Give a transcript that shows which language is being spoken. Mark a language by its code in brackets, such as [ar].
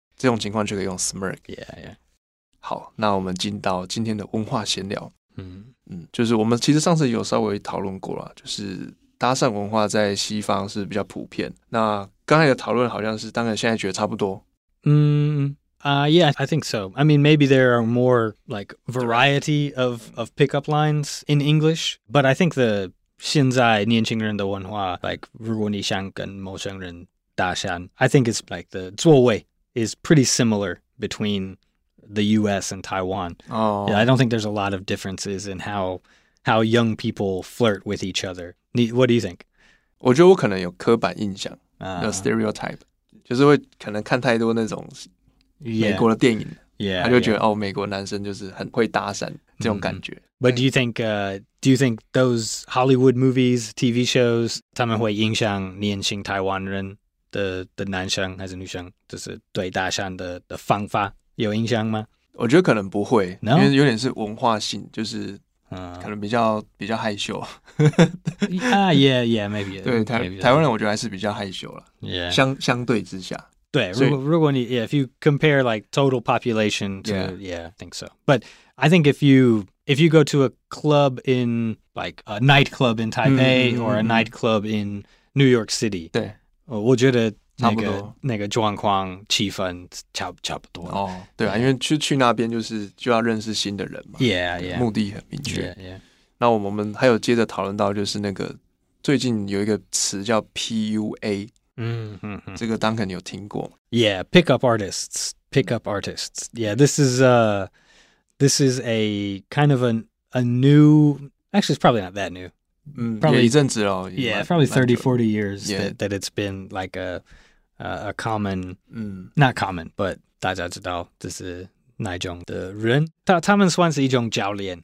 [zh] 这种情况就可以用 smirk [en] yeah, yeah. [zh] 好，那我们进到今天的文化闲聊、嗯嗯、就是我们其实上次有稍微讨论过了，就是搭讪文化在西方是比较普遍，那刚才的讨论好像是当然现在觉得差不多。 [en] Yeah, I think so. I mean, maybe there are more like variety of pickup lines in English, but I think the [zh] 现在年轻人的文化 [en] like [zh] 如果你想跟陌生人搭讪 [en] I think it's like the 座位 is pretty similar between the US and Taiwan. Oh. Yeah, I don't think there's a lot of differences in how young people flirt with each other. What do you think? [zh] 我觉得我可能有刻板印象。 [en] The [zh] stereotype 就是会可能看太多那种美国的电影 [en] yeah, yeah, [zh] 他就觉得、yeah. 哦、美国男生就是很会搭讪这种感觉、mm-hmm. [en] But do you think those Hollywood movies, TV shows [zh] 他们会影响年轻台湾人 的男生还是女生就是对搭讪 的方法有影响吗？我觉得可能不会、 [en] no? [zh] 因为有点是文化性就是可能比较害羞 [en] yeah, yeah, yeah, maybe [zh] 对 台湾人我觉得还是比较害羞了 [en] yeah. [zh] 相对之下对如果你 [en] yeah, if you compare like total population to, yeah. yeah, I think so But I think if you go to a club in like a nightclub in Taipei、嗯、or a nightclub in New York City [zh] 对我觉得、那个、差不多那个状况气氛差不多、哦、对啊、yeah. 因为去那边就要认识新的人嘛 [en] yeah, yeah. [zh] 目的很明确 [en] yeah, yeah. [zh] 那我们还有接着讨论到就是那个最近有一个词叫 PUA 嗯这个Duncan有听过 [en] Yeah, pickup artists Yeah, this is a kind of a new Actually, it's probably not that new Probably [zh] 一阵子哦 [en] Yeah, probably 30-40 years that it's been like a common Not common, but [zh] 大家知道这是哪一种的人他们算是一种教练